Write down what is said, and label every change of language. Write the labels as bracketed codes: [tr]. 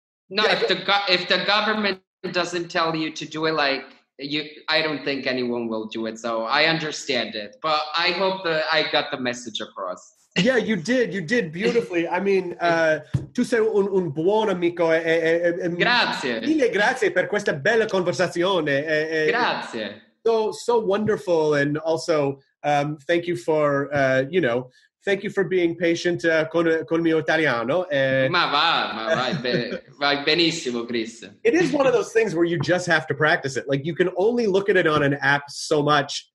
[en] if the government doesn't tell you to do it, like, you, I don't think anyone will do it, so I understand it, but I hope that I got the message across. Yeah, you did beautifully. I mean, [it] tu sei un buon amico. Grazie. Mille grazie per questa bella conversazione. Grazie. [en] So wonderful, and also thank you for, you know, thank you for being patient [it] con mio italiano. Ma va, benissimo, Chris. [en] It is one of those things where you just have to practice it. Like, you can only look at it on an app so much.